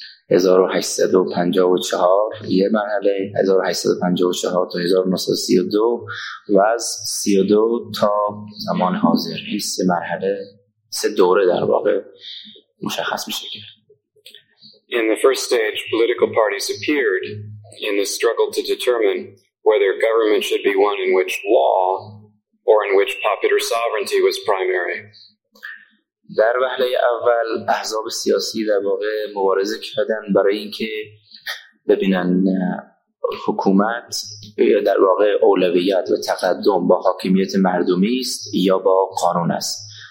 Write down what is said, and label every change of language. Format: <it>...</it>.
<fa>1854 یه مرحله، 1854 تا 1932 و از 32 تا زمان حاضر، این سه مرحله، سه دوره در واقع مشخص میشه که.</fa> <en>In the first stage, political parties appeared in the struggle to determine whether government should be one in which law or in which popular sovereignty was primary.</en> <fa>در وهله اول احزاب سیاسی در واقع مبارزه کردن برای اینکه ببینن حکومت در واقع اولویت و تقدم با حاکمیت مردمی است یا با قانون است.</fa>